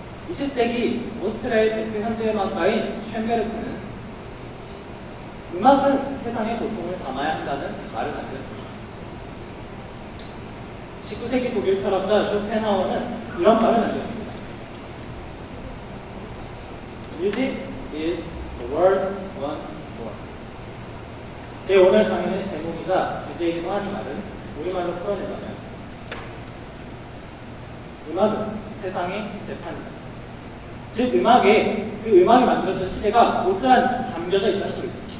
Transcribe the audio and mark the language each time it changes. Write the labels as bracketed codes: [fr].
[ko] 20세기 오스트리아의 대표 현대음악가인 쉔베르크는 음악은 세상의 고통을 담아야 한다는 말을 남겼습니다. 19세기 독일 철학자 쇼펜하우어는 이런 말을 남겼습니다. [en] Music is the world once more. [ko] 제 오늘 강의는 제목이자 주제이기도 한 말은 우리말로 풀어내자면 음악은 세상의 재판이다. 즉 음악에 그 음악이 만들어진 시대가 고스란히 담겨져 있다는 소리죠.